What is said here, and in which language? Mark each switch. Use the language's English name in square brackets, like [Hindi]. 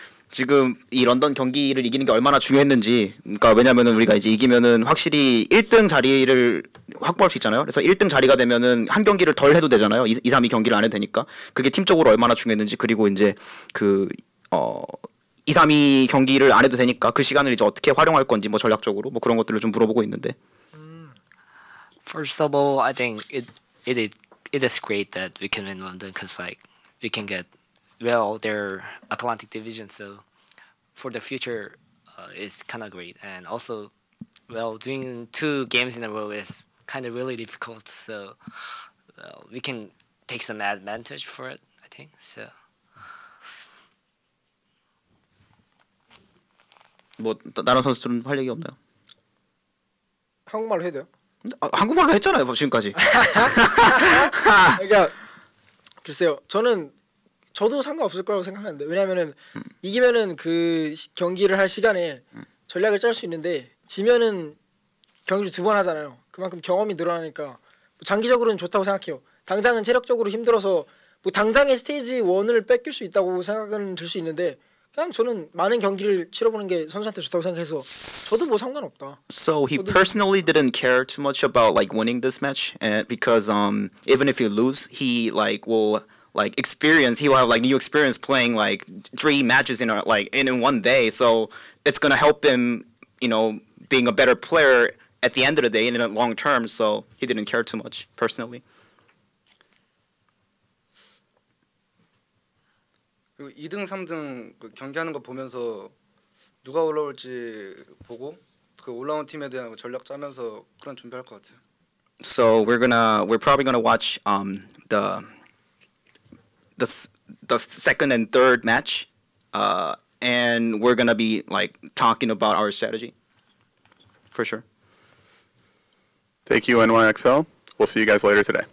[Korean] 지금 이 런던 경기를 이기는 게 얼마나 중요했는지 그러니까 왜냐면은 우리가 이제 이기면은 확실히 1등 자리를 확보할 수 있잖아요. 그래서 1등 자리가 되면은 한 경기를 덜 해도 되잖아요. 2, 3, 2 경기를 안 해도 되니까. 그게 팀적으로 얼마나 중요했는지 그리고 이제 그 2, 3, 2 경기를 안 해도 되니까 그 시간을 이제 어떻게 활용할 건지 뭐 전략적으로 뭐 그런 것들을 좀 물어보고 있는데. [English] First of all, I think it is great that we can win London because like we can get well, their Atlantic Division, so for the future, it's kind of great. And also, well, doing two games in a row is kind of really difficult, so well, we can take some advantage for it, I think, so. [Korean] 뭐 다른 선수들은 할 얘기 없나요? 한국말로 해도 돼요? 아, 한국말로 했잖아요, 지금까지. 그러니까 글쎄요, 저는 저도 상관없을 거라고 생각하는데 왜냐면은 이기면은 그 경기를 할 시간에 전략을 짤 수 있는데 지면은 경기를 두 번 하잖아요. 그만큼 경험이 늘어나니까 장기적으로는 좋다고 생각해요. 당장은 체력적으로 힘들어서 뭐 당장의 스테이지 1을 뺏길 수 있다고 생각은 들 수 있는데 그냥 저는 많은 경기를 치러보는 게 선수한테 좋다고 생각해서 저도 뭐 상관없다. [English] So he personally didn't care too much about like winning this match and because even if he lose, he like will like experience. He will have like new experience playing like three matches in a, like in one day. So it's gonna help him, you know, being a better player at the end of the day and in the long term. So he didn't care too much personally. [Korean] 2등, 3등 그 경기하는 거 보면서 누가 올라올지 보고 그 올라온 팀에 대한 그 전략 짜면서 그런 준비할 것 같아요. [English] So we're gonna, we're probably gonna watch the second and third match, and we're gonna be like talking about our strategy for sure. Thank you, NYXL. We'll see you guys later today.